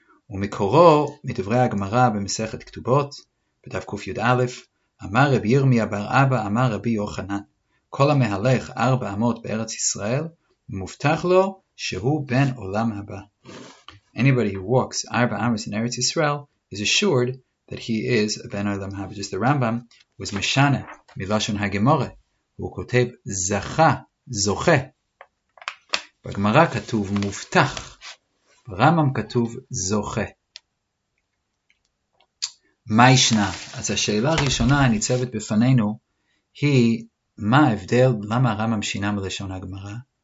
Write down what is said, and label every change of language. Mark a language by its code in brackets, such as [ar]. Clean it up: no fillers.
[he] U'mikoro mitivrei ha-Gemara b'mesechet ktubot, b'dav kuf yud alef, אמר רב ירמיה בר אבא, אמר רבי יוחנן, כל המהלך ארבע אמות בארץ ישראל, מובטח לו שהוא בן עולם הבא. [en] Anybody who walks ארבע אמות in Eretz Yisrael is assured that he is a ben עולם הבא. Just the Rambam was [he] משנה מלשון הגמורה, הוא כותב זכה, זוכה. בגמרא כתוב מובטח, ברמב"ם כתוב זוכה. מה ישנה? אז השאלה הראשונה הניצבת בפנינו היא מה ההבדל, למה הרמב"ם שינה מלשון הגמרא?